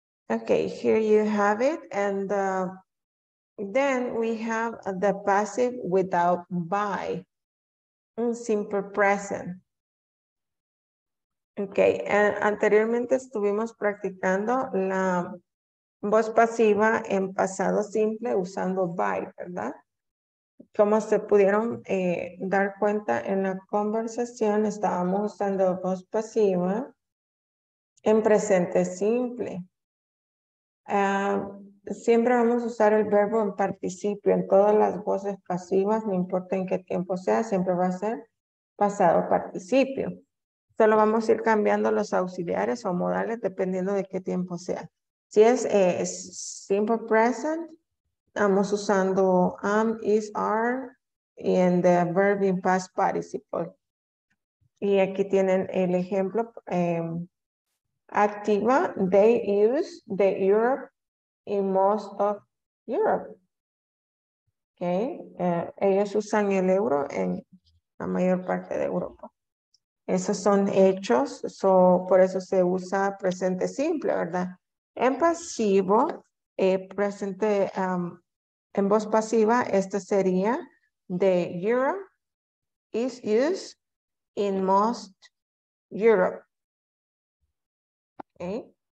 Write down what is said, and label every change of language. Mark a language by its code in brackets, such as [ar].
[en] Okay, here you have it. And then we have the passive without by, simple present. [es] Okay, anteriormente estuvimos practicando la voz pasiva en pasado simple usando by, ¿verdad? Como se pudieron dar cuenta en la conversación, estábamos usando voz pasiva en presente simple. Siempre vamos a usar el verbo en participio en todas las voces pasivas, no importa en qué tiempo sea, siempre va a ser pasado participio. Solo vamos a ir cambiando los auxiliares o modales dependiendo de qué tiempo sea. Si es simple present, estamos usando am, is, are, y en [en] the verb in past participle. [es] Y aquí tienen el ejemplo. [en] Activa, they use the Europe in most of Europe. Okay. [es] Ellos usan el euro en la mayor parte de Europa. Esos son hechos, so, por eso se usa presente simple, ¿verdad? En pasivo, presente, en voz pasiva, este sería [en] the Europe is used in most Europe. [es] Okay.